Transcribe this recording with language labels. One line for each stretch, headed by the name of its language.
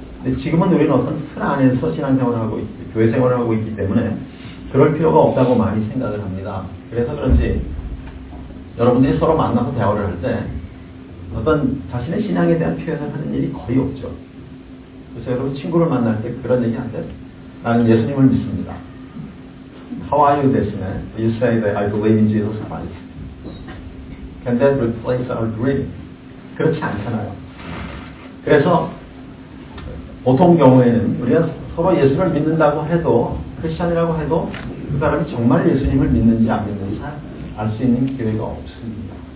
Korean: 근데 지금은 우리는 어떤 틀 안에서 신앙생활을 하고 있고 교회 생활을 하고 있기 때문에 그럴 필요가 없다고 많이 생각을 합니다. 그래서 그런지 여러분들이 서로 만나서 대화를 할 때 어떤 자신의 신앙에 대한 표현을 하는 일이 거의 없죠. 그래서 여러분 친구를 만날 때 그런 얘기 하세요. 나는 예수님을 믿습니다.
English: How are you
Korean: 대신에
English: you say that I believe in Jesus Christ. Can that replace our greeting?
Korean: 그렇지 않잖아요. 그래서 보통 경우에는 우리가 서로 예수를 믿는다고 해도 크리스천이라고 해도 그 사람이 정말 예수님을 믿는지 안 믿는지 알 수 있는 기회가 없습니다.